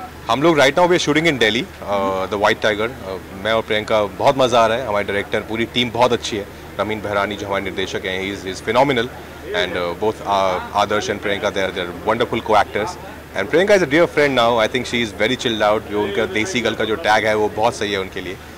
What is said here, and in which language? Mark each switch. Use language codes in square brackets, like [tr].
[hi] हम लोग [en] Right now we are shooting in Delhi the White Tiger. [hi] मैं और प्रियंका, बहुत मज़ा आ रहा है. हमारे डायरेक्टर, पूरी टीम बहुत अच्छी है. रमीन बहरानी जो हमारे निर्देशक हैं, [en] Is phenomenal. And both Adarsh and Priyanka, they are wonderful co-actors. And Priyanka is a dear friend now. I think she is very chilled out. [hi] जो उनका देसी गर्ल का जो टैग है वो बहुत सही है उनके लिए.